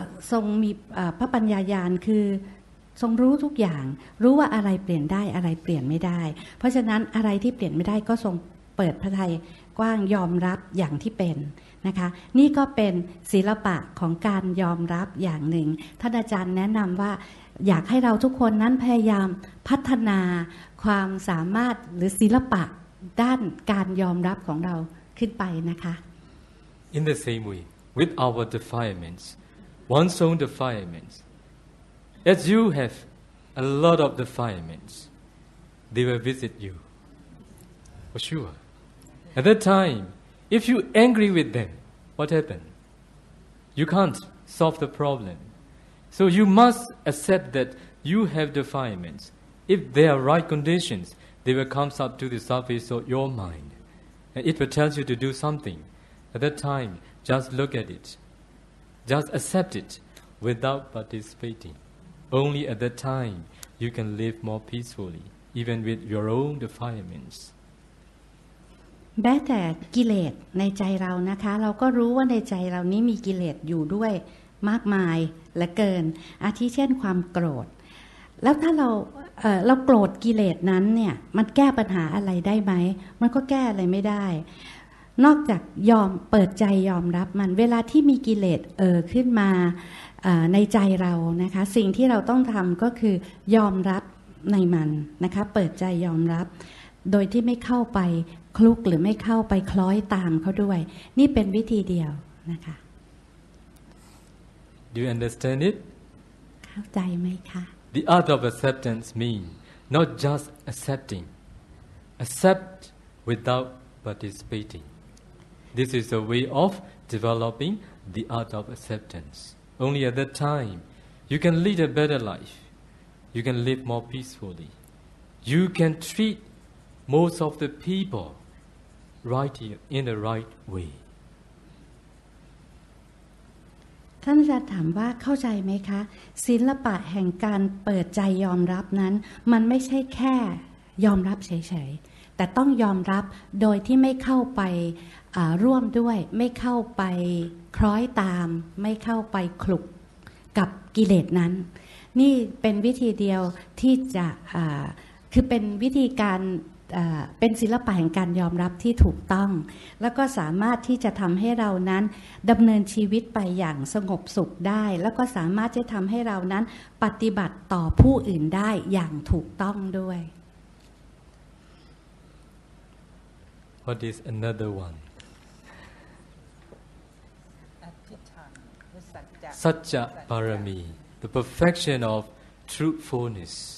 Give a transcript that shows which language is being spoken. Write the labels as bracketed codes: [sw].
[th] ทรงมีพระปัญญาญาณคือทรงรู้ทุกอย่างรู้ว่าอะไรเปลี่ยนได้อะไรเปลี่ยนไม่ได้เพราะฉะนั้นอะไรที่เปลี่ยนไม่ได้ก็ทรงเปิดพระทัยกว้างยอมรับอย่างที่เป็นนะคะนี่ก็เป็นศิลปะของการยอมรับอย่างหนึ่งท่านอาจารย์แนะนำว่าอยากให้เราทุกคนนั้นพยายามพัฒนาความสามารถหรือศิลปะด้านการยอมรับของเราขึ้นไปนะคะ [en] In the same way with our defilements one's own defilementsAs you have a lot of defilements, they will visit you. For sure. At that time, if you angry with them, what happened? You can't solve the problem. So you must accept that you have defilements. If there are right conditions, they will come up to the surface of your mind. And it will tell you to do something. At that time, just look at it. Just accept it without participating. Only at that time you can live more peacefully, even with your own defilements. [th] แม้แต่กิเลสในใจเรานะคะเราก็รู้ว่าในใจเรานี้มีกิเลสอยู่ด้วยมากมายและเกินอาทิเช่นความโกรธแล้วถ้าเราโกรธกิเลสนั้นเนี่ยมันแก้ปัญหาอะไรได้ไหมมันก็แก้อะไรไม่ได้นอกจากยอมเปิดใจยอมรับมันเวลาที่มีกิเลสขึ้นมา ในใจเรานะคะสิ่งที่เราต้องทำก็คือยอมรับในมันนะคะเปิดใจยอมรับโดยที่ไม่เข้าไปคลุกหรือไม่เข้าไปคล้อยตามเขาด้วยนี่เป็นวิธีเดียวนะคะ [en] Do you understand it? [th] เข้าใจไหมคะ [en] The art of acceptance means not just accepting, accept without participating. This is a way of developing the art of acceptance. Only at that time, you can lead a better life. You can live more peacefully. You can treat most of the people right here in the right way. [th] ท่านจะถามว่าเข้าใจไหมคะศิลปะแห่งการเปิดใจยอมรับนั้นมันไม่ใช่แค่ยอมรับเฉยๆแต่ต้องยอมรับโดยที่ไม่เข้าไปร่วมด้วยไม่เข้าไปคล้อยตามไม่เข้าไปคลุกกับกิเลสนั้นนี่เป็นวิธีเดียวที่จะ คือเป็นวิธีการเป็นศิลปะแห่งการยอมรับที่ถูกต้องแล้วก็สามารถที่จะทำให้เรานั้นดำเนินชีวิตไปอย่างสงบสุขได้แล้วก็สามารถที่ทำให้เรานั้นปฏิบัติต่อผู้อื่นได้อย่างถูกต้องด้วย [en] What is another oneSatcha Parami, the perfection of truthfulness.